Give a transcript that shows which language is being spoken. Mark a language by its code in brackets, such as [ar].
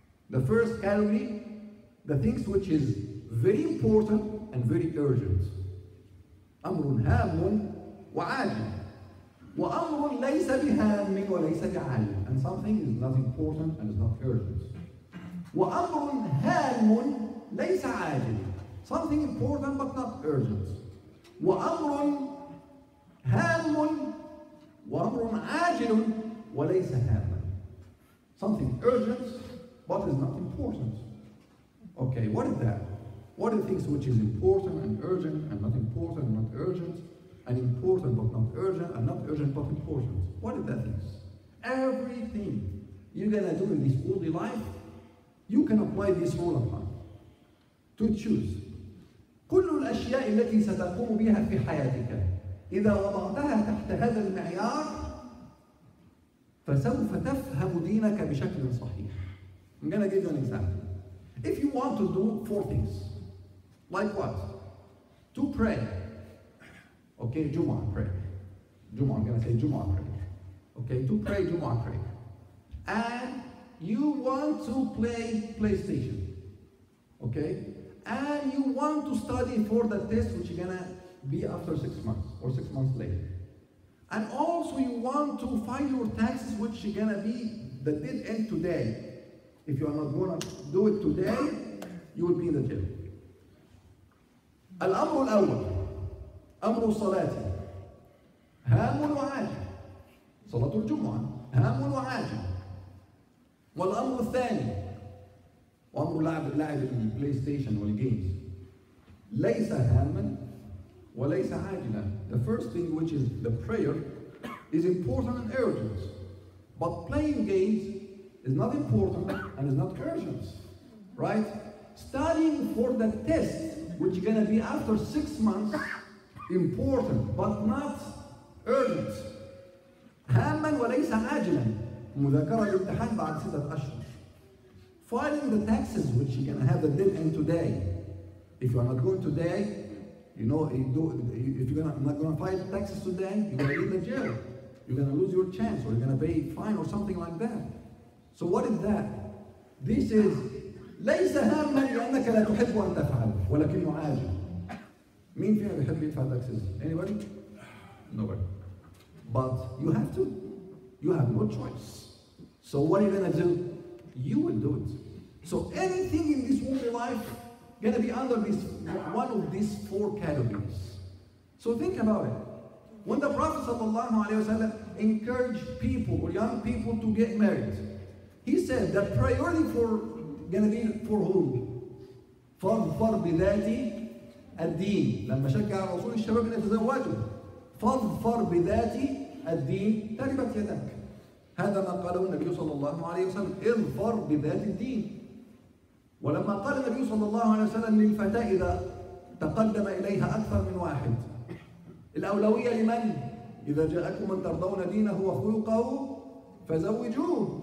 [en] The first category, the things which is very important and very urgent. [ar] أمر هام وعاجل وأمر ليس بهام وليس بعاجل [en] and something is not important and is not urgent [ar] وأمر هام ليس عاجلا. [en] Something important but not urgent. [ar] وأمر هام وأمر عاجل وليس هاما. [en] Something urgent but is not important. Okay, what is that? What are the things which is important and urgent and not important and not urgent and important but not urgent and not urgent but important? What are the things? Everything you're gonna do in this worldly life, you can apply this rule upon to choose. [ar] كل الأشياء التي ستقوم بها في حياتك إذا وضعتها تحت هذا المعيار فسوف تفهم دينك بشكل صحيح. [en] I'm gonna give you an example. If you want to do four things, like what? To pray. Okay, Jumu'ah pray. Jumu'ah, I'm gonna say Jumu'ah pray. Okay, to pray, Jumu'ah pray. And you want to play PlayStation. Okay? And you want to study for the test, which is gonna be after 6 months or 6 months later. And also you want to file your taxes, which is gonna be the dead end today. If you are not gonna do it today, you will be in the jail. [ar] الأمر الأول أمر الصلاة هام وعاجل صلاة الجمعة هام وعاجل. والأمر الثاني وأمر لعب البلاي ستيشن والجيمز ليس هاما وليس عاجلا. [en] The first thing which is the prayer is important and urgent, but playing games is not important and is not urgent, right? Studying for the test, which is gonna be after 6 months, important but not urgent. [ar] هاما وليس عاجلا. مذاكرة الامتحان بعد ستة أشهر. [en] Filing the taxes, which you're gonna have the dead end today. If you are not going today, you know, if you're not gonna file the taxes today, you're gonna be in the jail. You're gonna lose your chance, or you're gonna pay fine or something like that. So what is that? This is [ar] ليس هاما لأنك لا تحب أن تفعل ولكنه عاجل. مين فيها بيحب يدفع [en] taxes? Anybody? Nobody. But you have to. You have no choice. So what are you gonna do? You will do it. So anything in this world life gonna be under this one of these four categories. So think about it. When the Prophet sallallahu alaihi wasallam encouraged people or young people to get married, he said that priority for gonna be for whom? [ar] فضفر بذاتي الدين. لما شكى الرسول الشباب ان يتزوجوا فضفر بذاتي الدين تربت يدك. هذا ما قاله النبي صلى الله عليه وسلم. اظفر بذات الدين. ولما قال النبي صلى الله عليه وسلم للفتاة إذا تقدم إليها أكثر من واحد الأولوية لمن؟ إذا جاءكم من ترضون دينه وخلقه فزوجوه.